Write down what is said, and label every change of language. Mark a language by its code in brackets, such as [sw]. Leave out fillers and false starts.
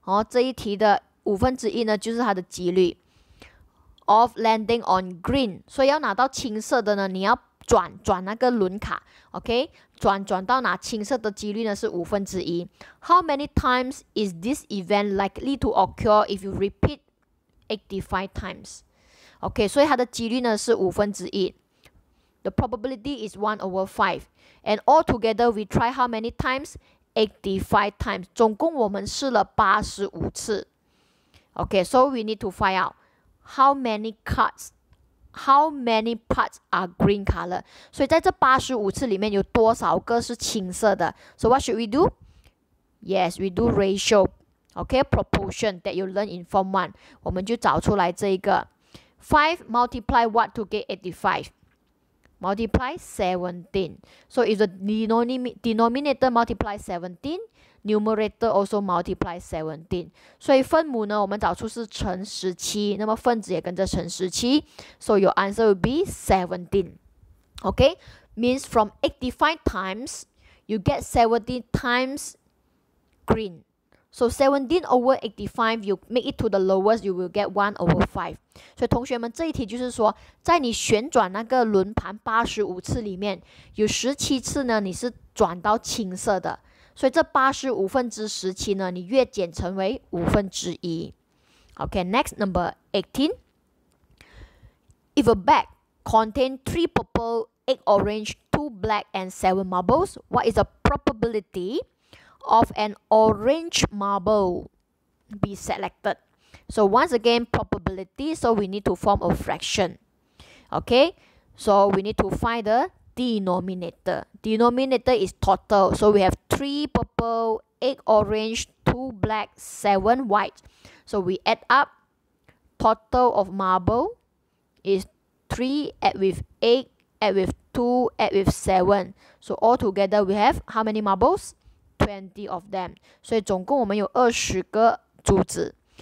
[zh] 这一题的五分之一呢，就是它的几率。 [en] Of landing on green. [zh] 所以要拿到青色的呢，你要转那个轮卡。 [en] OK? [zh] 转到拿青色的几率呢是五分之一。 [en] How many times is this event likely to occur if you repeat 85 times? OK? [zh] 所以它的几率呢是五分之一。 [en] The probability is 1 over 5. And all together we try how many times? 85 times. [zh] 总共我们试了85次。 [en] OK? So we need to find out. How many parts are green color? [zh] 所以在这85次里面有多少个是青色的? [en] So what should we do? Yes, we do ratio. Okay, proportion that you learn in Form 1. [zh] 我们就找出来这一个。 [en] 5 multiply what to get 85? Multiply 17. So if the denominator multiply 17, numerator also multiply 17. [zh] 所以分母呢，我们找出是乘17，那么分子也跟着乘17，所以 [en] your answer will be 17. Okay, means from 85 times, you get 70 times green. So 17 over 85, you make it to the lowest, you will get 1 over 5. [zh] 所以同学们, 这一题就是说, 在你旋转那个轮盘 85次里面, 有17次呢, 你是转到青色的。所以这85分之17呢, 你越减成为1/5. [en] Okay, next number 18. If a bag contain 3 purple, 8 orange, 2 black, and 7 marbles, what is the probability of an orange marble be selected? So once again, probability, so we need to form a fraction. Okay, so we need to find the denominator. Denominator is total. So we have 3 purple, 8 orange, 2 black, 7 white. So we add up, total of marble is 3, add with 8, add with 2, add with 7. So all together we have how many marbles? 20 of them. [zh] 所以总共我们有20个珠子。